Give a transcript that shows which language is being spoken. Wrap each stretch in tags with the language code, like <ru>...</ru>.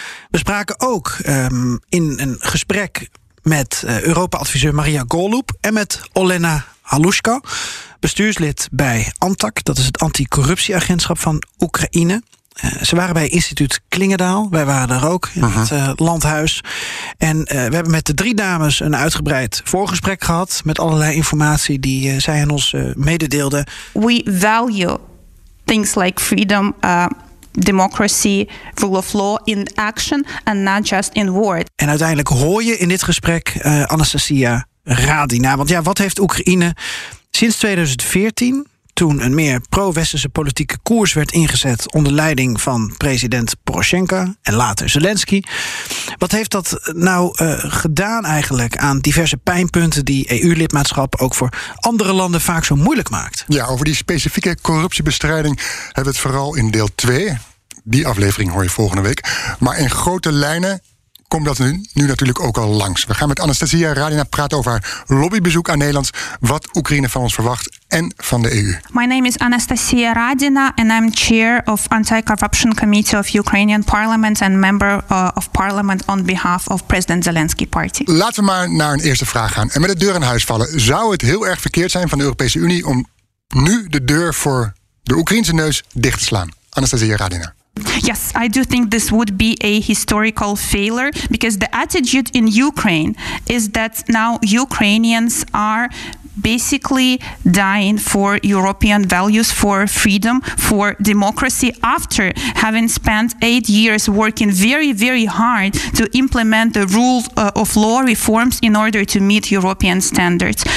<nl>We spraken ook in een gesprek met Europa-adviseur Maria Golub en met Olena Halushka, bestuurslid bij ANTAC, dat is het anticorruptieagentschap van Oekraïne. Ze waren bij instituut Klingendaal, wij waren daar ook, in het landhuis. En we hebben met de drie dames een uitgebreid voorgesprek gehad met allerlei informatie die zij aan ons mededeelden.</nl> <en>We value things like freedom, democracy, rule of law in action and not just in word.</en> <nl>En uiteindelijk hoor je in dit gesprek Anastasia Radina. Want ja, wat heeft Oekraïne sinds 2014, toen een meer pro-westerse politieke koers werd ingezet onder leiding van president Poroshenko en later Zelensky, wat heeft dat nou gedaan eigenlijk aan diverse pijnpunten die EU-lidmaatschap ook voor andere landen vaak zo moeilijk maakt? Ja, over die specifieke corruptiebestrijding hebben we het vooral in deel 2. Die aflevering hoor je volgende week. Maar in grote lijnen komt dat nu natuurlijk ook al langs. We gaan met Anastasia Radina praten over haar lobbybezoek aan Nederland, wat Oekraïne van ons verwacht en van de EU.</nl> <en>My name is Anastasia Radina and I'm chair of Anti-Corruption Committee of Ukrainian Parliament and member of parliament on behalf of President Zelensky Party.</en> <nl>Laten we maar naar een eerste vraag gaan en met de deur in huis vallen. Zou het heel erg verkeerd zijn van de Europese Unie om nu de deur voor de Oekraïnse neus dicht te slaan? Anastasia Radina.</nl> <en>Yes, I do think this would be a historical failure because the attitude in Ukraine is that now Ukrainians are basically dying for European values, for freedom, for democracy after having spent 8 years working very, very hard to implement the rules of law reforms in order to meet European standards.</en>